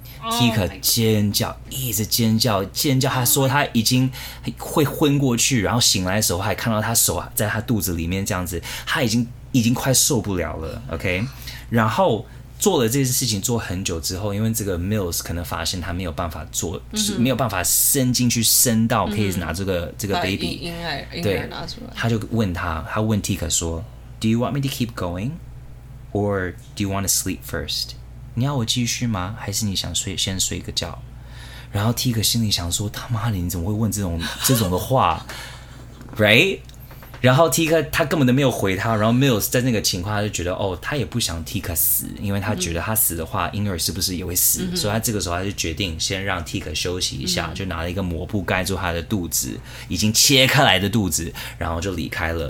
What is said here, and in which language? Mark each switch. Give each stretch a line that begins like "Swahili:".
Chinese: Tika 尖叫，一直尖叫，尖叫。他说他已经会昏过去，然后醒来的时候还看到他手在他肚子里面这样子，他已经快受不了了。OK， 然后做了这件事情做很久之后，因为这个 Mills 可能发现他没有办法做，嗯、就是没有办法伸进去伸到可以拿这个 baby 婴儿拿出来，他就问他问 Tika 说
English: ，Do you want me to keep going, or do you want to sleep first?
Chinese: 你要我继续吗？还是你想睡先睡个觉？然后 Tika 心里想说：“他妈的，你怎么会问这种的话？”Right？然后 Tika 他根本都没有回他，然后 Mills 在那个情况他就觉得哦，他也不想 Tika 死，因为他觉得他死的话婴儿是不是也会死，所以他这个时候他就决定先让 Tika 休息一下，就拿了一个抹布盖住他的肚子，已经切开来的肚子，然后就离开了。